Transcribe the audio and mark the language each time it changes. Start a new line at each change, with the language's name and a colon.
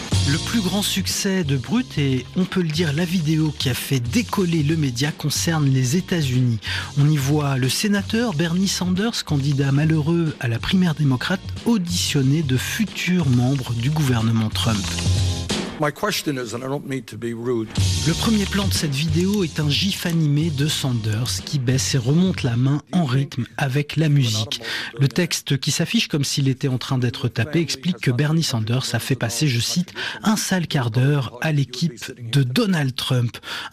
French: Le plus grand succès de Brut, et on peut le dire, la vidéo qui a fait décoller le média, concerne les États-Unis. On y voit le sénateur Bernie Sanders, candidat malheureux à la primaire démocrate, auditionné de futurs membres du gouvernement Trump.
English: My question is, and I don't mean to be rude.
French: Le premier plan de cette vidéo est un gif animé de Sanders qui baisse et remonte la main en rythme avec la musique. Le texte, qui s'affiche comme s'il était en train d'être tapé, explique que Bernie Sanders a fait passer, je cite, « un sale quart d'heure à l'équipe de Donald Trump ».